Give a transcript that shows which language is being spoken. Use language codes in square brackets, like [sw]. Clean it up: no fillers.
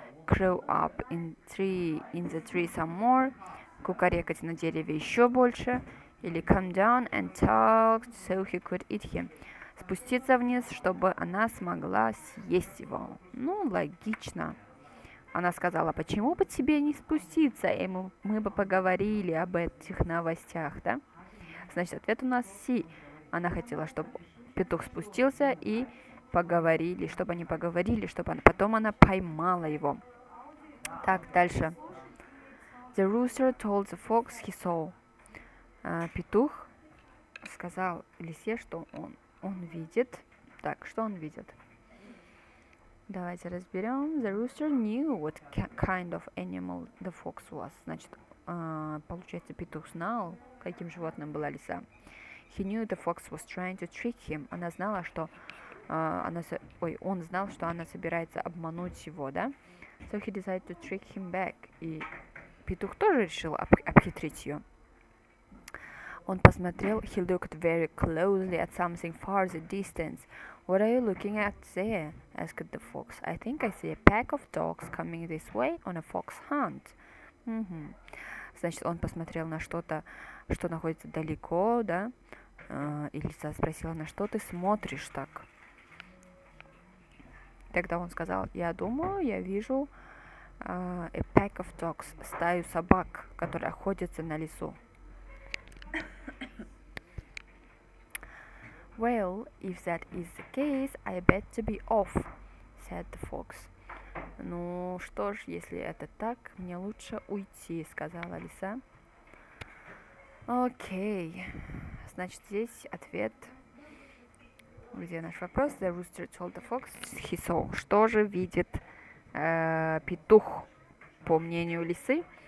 [en] Grow up in tree, in the tree some more. [ru] Кукарекать на дереве еще больше. Или [en] come down and talk so he could eat him. [ru] Спуститься вниз, чтобы она смогла съесть его. Ну, логично. Она сказала, почему бы тебе не спуститься, и мы бы поговорили об этих новостях, да? Значит, ответ у нас си. Она хотела, чтобы петух спустился и поговорили, чтобы они поговорили, чтобы она... потом она поймала его. Так, дальше. [en] The rooster told the fox he saw. [ru] Петух сказал лисе, что он видит. Так, что он видит? Давайте разберем. [en] The rooster knew what kind of animal the fox was. [ru] Значит, получается, петух знал, каким животным была лиса. He knew the fox was trying to trick him. Она знала, что он знал, что она собирается обмануть его, да? [en] So he decided to trick him back. [ru] И петух тоже решил обхитрить ее. Он посмотрел. [en] He looked very closely at something far in the distance. What are you looking at there? Asked the fox. I think I see a pack of dogs coming this way on a fox hunt. Mm-hmm. [ru] Значит, он посмотрел на что-то, что находится далеко, да? И лиса спросила, на что ты смотришь так? Тогда он сказал, я думаю, я вижу [en] a pack of dogs, [ru] стаю собак, которые охотятся на лису. [en] Well, if that is the case, I better be off, said the fox. [ru] Ну что ж, если это так, мне лучше уйти, сказала лиса. Окей, значит, здесь ответ... Где наш вопрос? [en] The rooster told the fox he saw. [ru] Что же видит петух, по мнению лисы?